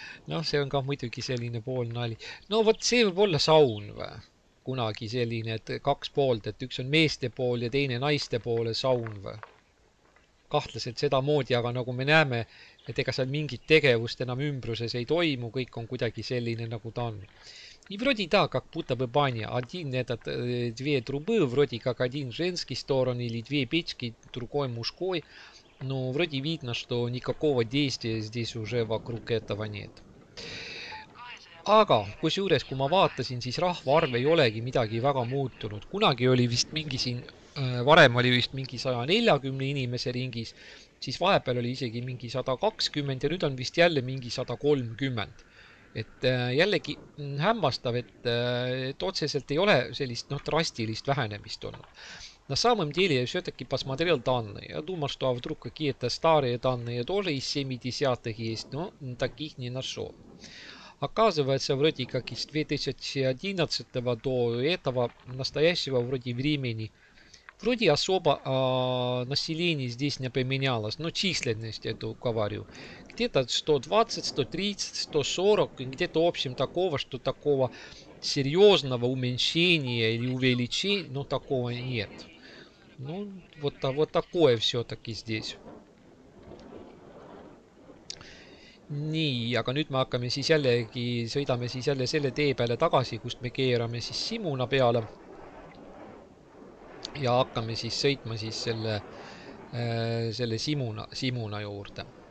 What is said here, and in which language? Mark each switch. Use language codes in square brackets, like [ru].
[et] No see on ka muidugi selline pool nali. No võt, see võib olla saun või? Kunagi selline, et kaks poolt, et üks on meeste pool ja teine naiste poole saun või? Kahtlaselt seda moodi, aga nagu me näeme, et ega seal mingit tegevust enam ümbruses ei toimu, kõik on kuidagi selline nagu ta on. [ru] И вроде да, как будто бы баня, один этот, две трубы, вроде как один женский сторон или две печки, другой мужской, но вроде видно, что никакого действия здесь уже вокруг этого нет. [et] Aga kusjuures, kui ma vaatasin, siis rahva arv ei olegi midagi väga muutunud. Kunagi oli vist mingi siin, varem oli vist mingi 140 inimese ringis, siis vahepeal oli isegi mingi 120 ja nüüd on vist jälle mingi 130. Et jällegi hämmastav, et otseselt ei ole sellist drastilist vähenemist olnud. [ru] На самом деле, я все-таки посмотрел данные. Я думал, что а вдруг какие-то старые данные тоже из 70-х есть, но таких не нашел. Оказывается, вроде как из 2011 до этого настоящего вроде времени, вроде особо население здесь не поменялось, но численность эту говорю. Где-то 120, 130, 140, где-то в общем такого, что такого серьезного уменьшения или увеличения, но такого нет. Ну, вот такое все-таки здесь. [et] Nii, aga nüüd me hakkame siis jällegi, sõidame siis jälle selle tee peale tagasi, kust me keerame siis Simuna peale. Ja hakkame siis sõitma siis selle Simuna juurde.